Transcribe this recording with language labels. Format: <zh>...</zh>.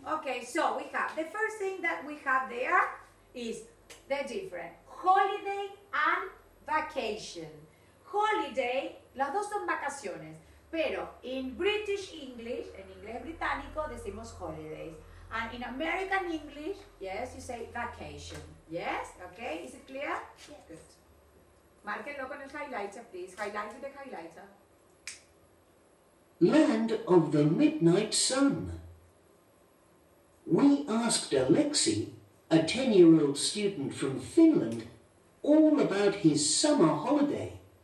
<en>Okay, so we have the first thing that we have there is the different holiday and vacation.</en> <es>Holiday, las dos son vacaciones, pero</es> <en>in British English,</en> <es>en inglés británico, decimos holidays.</es> <en>And in American English, yes, you say vacation. Yes? Okay, is it clear? Yes. Good.</en> <es>Márquenlo con el</es> <en>highlighter, please. Highlighter the highlighter. Land of the Midnight Sun. We asked Alexi, a 10-year-old student from Finland, all about his summer holiday.</en>